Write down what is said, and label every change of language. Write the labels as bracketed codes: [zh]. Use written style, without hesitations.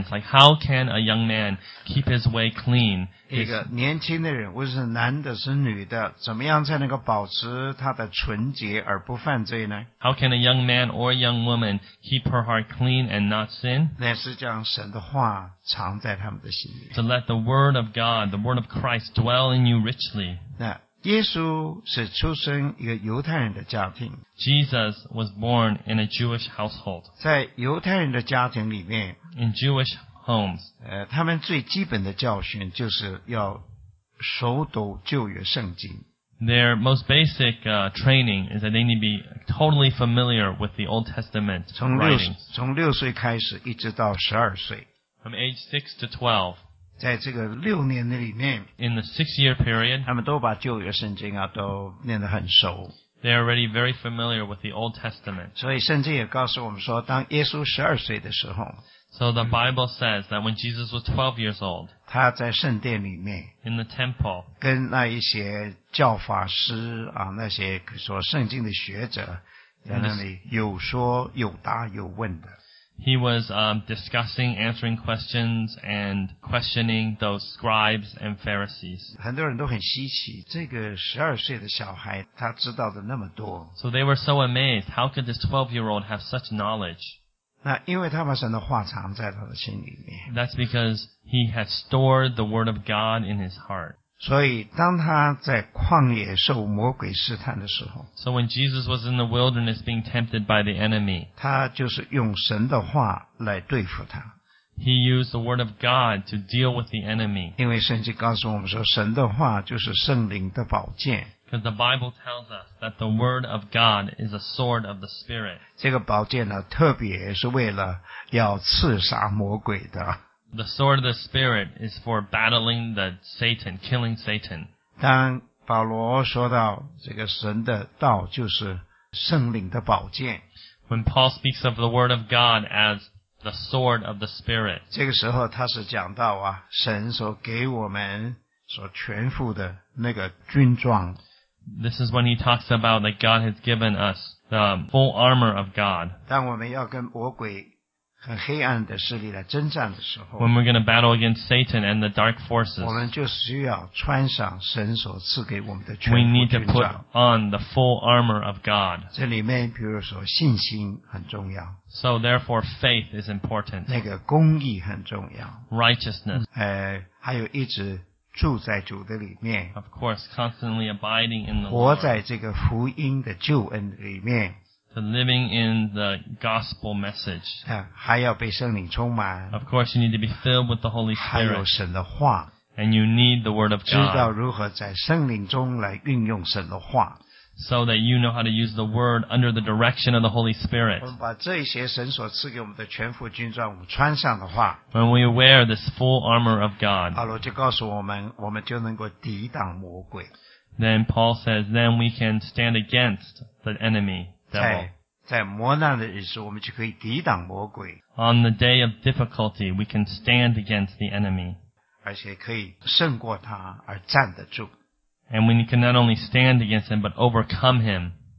[en] It's like, how can a young man keep his way clean? [zh] 一个年轻的人，无论是男的是女的，怎么样才能够保持他的纯洁而不犯罪呢？ [en] How can a young man or a young woman keep her heart clean and not sin? [zh] 那是将神的话藏在他们的心里。 [en] To let the word of God, the word of Christ dwell in you richly. [zh] 那耶稣是出生一个犹太人的家庭。 [en] Jesus was born in a Jewish household. [zh] 在犹太人的家庭里面 [en] In Jewish homes. [zh] 他们最基本的教训就是要熟读旧约圣经。 [en] Their most basic training is that they need to be totally familiar with the Old Testament writings. [zh] 从六岁开始一直到十二岁。 [en] From age 6 to 12. [zh] 在这个六年的里面 [en] In the 6-year period, [zh] 他们都把旧约圣经啊都念得很熟。 [en] They are already very familiar with the Old Testament. [zh] 所以圣经也告诉我们说当耶稣十二岁的时候 [en] So the Bible says that when Jesus was 12 years old, [zh] 他在圣殿里面 [en] In the temple, [zh] 跟那一些教法师啊那些说圣经的学者在那里有说有答有问的。 [en] He was discussing, answering questions, and questioning those scribes and Pharisees. [zh] 很多人都很稀奇，这个十二岁的小孩，他知道的那么多。 [en] So they were so amazed. How could this 12-year-old have such knowledge? [zh] 那因为他把神的话藏在他的心里面。 [en] That's because he had stored the word of God in his heart. [zh] 所以当他在旷野受魔鬼试探的时候 [en] So when Jesus was in the wilderness being tempted by the enemy, [zh] 他就是用神的话来对付他。 [en] He used the word of God to deal with the enemy. [zh] 因为圣经告诉我们说神的话就是圣灵的宝剑。 [en] Because the Bible tells us that the word of God is a sword of the Spirit. [zh] 这个宝剑呢特别是为了要刺杀魔鬼的。 [en] The sword of the Spirit is for battling the Satan, killing Satan. [zh] 当保罗说到这个神的道就是圣灵的宝剑。 [en] When Paul speaks of the word of God as the sword of the Spirit. [zh] 这个时候他是讲到啊神所给我们所全副的那个军装。 [en] This is when he talks about that God has given us the full armor of God. [zh] 当我们要跟魔鬼和黑暗的势力来征战的时候 [en] When we're going to battle against Satan and the dark forces [zh] 我们就需要穿上神所赐给我们的全副军装 [en] We need to put on the full armor of God [zh] 这里面比如说信心很重要 [en] So therefore faith is important [zh] 那个公义很重要 [en] Righteousness [zh] 还有一直住在主的里面 [en] Of course constantly abiding in the Lord [zh] 活在这个福音的救恩里面 [en] To living in the gospel message. [zh] 还要被圣灵充满。 [en] Of course, you need to be filled with the Holy Spirit. [zh] 还有神的话。 [en] And you need the word of God. [zh] 知道如何在圣灵中来运用神的话。 [en] So that you know how to use the word under the direction of the Holy Spirit. [zh] 我们把这些神所赐给我们的全副军装我们穿上的话。 [en] When we wear this full armor of God. [zh] 保罗就告诉我们我们就能够抵挡魔鬼。 [en] Then Paul says, then we can stand against the enemy. [zh] 在磨难的日子我们就可以抵挡魔鬼 [en] On the day of difficulty we can stand against the enemy [zh] 而且可以胜过他而站得住 [en] And we can not only stand against him but overcome him